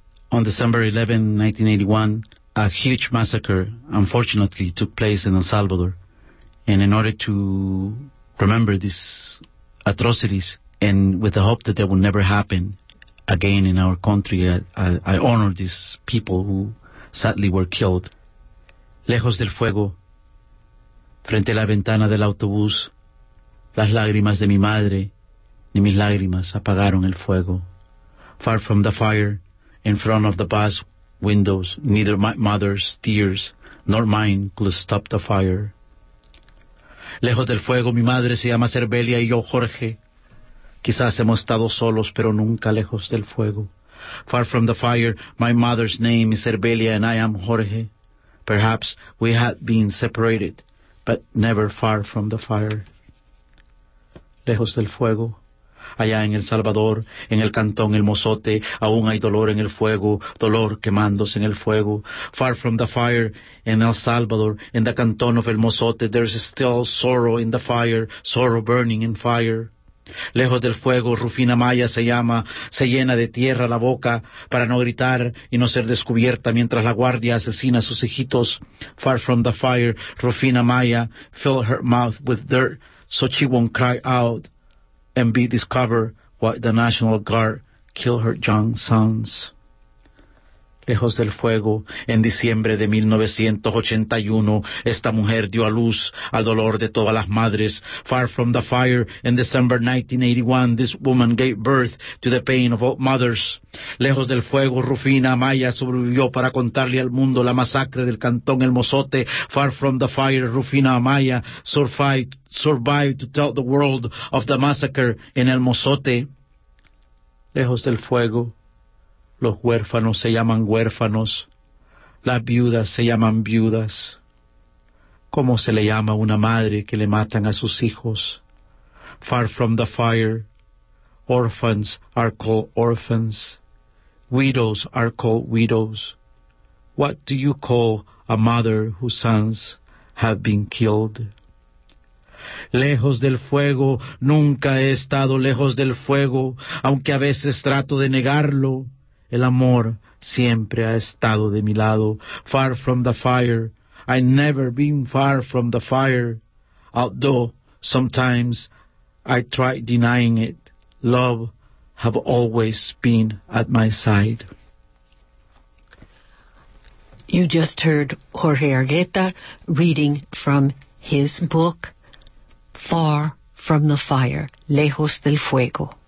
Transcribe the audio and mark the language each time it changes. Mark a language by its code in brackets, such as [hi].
[en] On December 11, 1981, a huge massacre, unfortunately, took place in El Salvador. And in order to remember these atrocities, and with the hope that they will never happen again in our country, I honor these people who sadly were killed. [es] Lejos del fuego, frente a la ventana del autobús, las lágrimas de mi madre ni mis lágrimas apagaron el fuego. [en] Far from the fire, in front of the bus windows, neither my mother's tears nor mine could stop the fire. [es] Lejos del fuego, mi madre se llama Cervelia y yo Jorge. Quizás hemos estado solos, pero nunca lejos del fuego. [en] Far from the fire, my mother's name is Cervelia and I am Jorge. Perhaps we had been separated, but never far from the fire. [es] Lejos del fuego, allá en El Salvador, en el cantón El Mozote, aún hay dolor en el fuego, dolor quemándose en el fuego. [en] Far from the fire, in El Salvador, in the cantón of El Mozote, there's still sorrow in the fire, sorrow burning in fire. [es] Lejos del fuego, Rufina Maya se llama, se llena de tierra la boca para no gritar y no ser descubierta mientras la guardia asesina a sus hijitos. [en] Far from the fire, Rufina Maya filled her mouth with dirt so she won't cry out and be discovered while the National Guard killed her young sons. [es] Lejos del fuego, en diciembre de 1981, esta mujer dio a luz al dolor de todas las madres. [en] Far from the fire, in December 1981, this woman gave birth to the pain of all mothers. [es] Lejos del fuego, Rufina Amaya sobrevivió para contarle al mundo la masacre del cantón El Mozote. [en] Far from the fire, Rufina Amaya survived to tell the world of the massacre in El Mozote. [es] Lejos del fuego, los huérfanos se llaman huérfanos, las viudas se llaman viudas. ¿Cómo se le llama a una madre que le matan a sus hijos? [en] Far from the fire, orphans are called orphans, widows are called widows. What do you call a mother whose sons have been killed? [es] Lejos del fuego, nunca he estado lejos del fuego, aunque a veces trato de negarlo. El amor siempre ha estado de mi lado. [en] Far from the fire, I never been far from the fire. Although sometimes I try denying it, love have always been at my side. You just heard Jorge Argueta reading from his book, Far from the Fire, Lejos del Fuego.